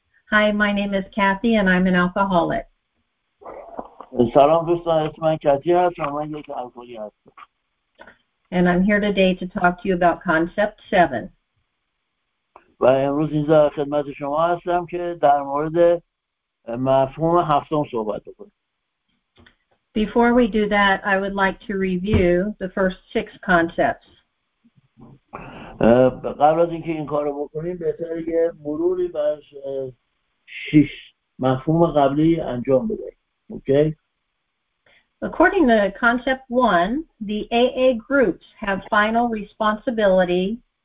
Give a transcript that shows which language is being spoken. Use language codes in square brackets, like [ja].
[en] Hi, my name is Kathy and I'm an alcoholic. [fa] سلام دوستان، اسم من کاتی هست و من یک الکلی هستم. [en] And I'm here today to talk to you about concept 7. [fa] و امروز اینجا خدمت شما هستم که در مورد مفهوم هفتم صحبت کنیم. [en] Before we do that, I would like to review the first 6 concepts. [fa] قبل از اینکه این کارو بکنیم، بهتره یه مروری بر 6 مفهوم قبلی انجام بدیم. اوکی؟ [en] According to concept 1, the AA groups have final responsibility.